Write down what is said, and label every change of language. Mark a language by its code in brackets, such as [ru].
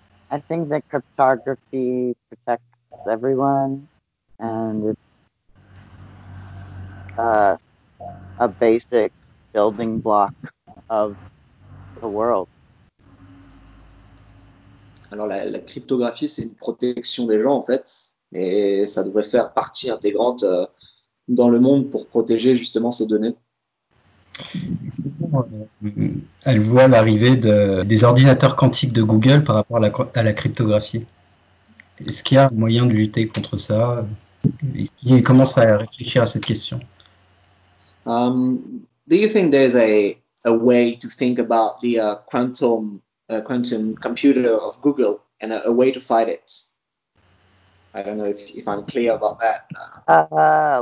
[en] I think that cryptography protects everyone, and it's a basic building block of the world. [fr] Alors la cryptographie, c'est une protection des gens, en fait, et ça devrait faire partie intégrante dans le monde pour protéger justement ces données. Elle voit l'arrivée des ordinateurs quantiques de Google par rapport à la cryptographie. Est-ce qu'il y a un moyen de lutter contre ça? Est-ce qu'il commence à réfléchir à cette question? [en] Do you think there's a way to think about the quantum computer of Google and a way to fight it? I don't know if I'm clear about that.